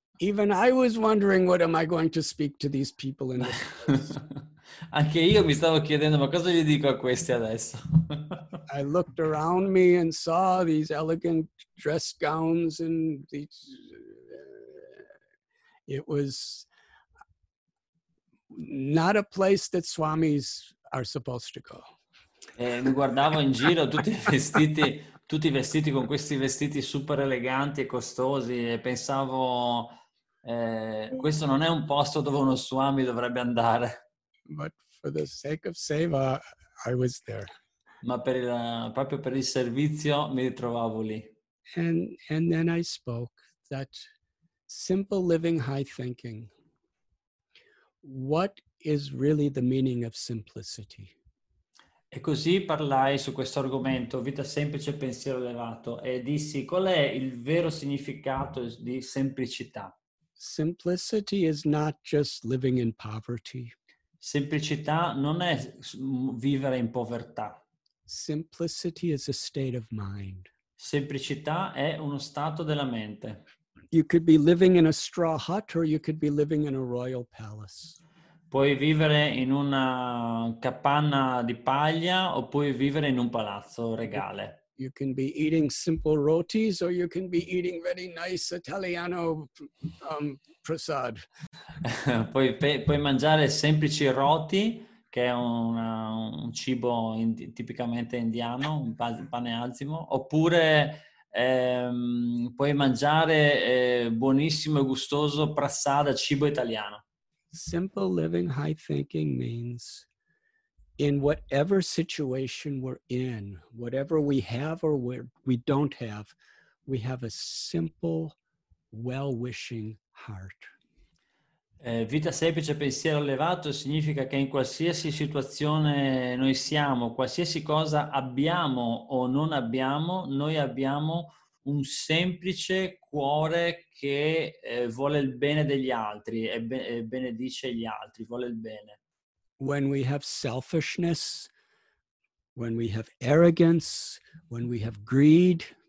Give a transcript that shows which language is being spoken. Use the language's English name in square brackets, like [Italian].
[English] even I was wondering what am I going to speak to these people in this place. [Italian] Anche io mi stavo chiedendo, ma cosa gli dico a questi adesso? [English] I looked around me and saw these elegant dress gowns and these... It was not a place that Swamis are supposed to go. [Italian] Mi guardavo in giro tutti vestiti con questi vestiti super eleganti e costosi e pensavo, questo non è un posto dove uno Swami dovrebbe andare. [English] But for the sake of seva, I was there. [Italian] Ma proprio per il servizio mi trovavo lì. [English] And then I spoke that simple living, high thinking. What is really the meaning of simplicity? [Italian] E così parlai su questo argomento, vita semplice, pensiero elevato, e dissi: qual è il vero significato di semplicità? [English] Simplicity is not just living in poverty. [Italian] Semplicità non è vivere in povertà. [English] Simplicity is a state of mind. [Italian] Semplicità è uno stato della mente. [English] You could be living in a straw hut or you could be living in a royal palace. [Italian] Puoi vivere in una capanna di paglia o puoi vivere in un palazzo regale. [English] You can be eating simple rotis or you can be eating very nice Italiano prasad. [Italian] puoi mangiare semplici roti, che è un cibo tipicamente indiano, un pane azimo, oppure puoi mangiare buonissimo e gustoso prasad, cibo italiano. [English] Simple living, high thinking means in whatever situation we're in, whatever we have or we don't have, we have a simple, well-wishing heart. [Italian] Vita semplice, pensiero elevato significa che in qualsiasi situazione noi siamo, qualsiasi cosa abbiamo o non abbiamo, noi abbiamo un semplice cuore che vuole il bene degli altri e benedice gli altri, vuole il bene. [English] When we have selfishness, when we have arrogance, when we have greed.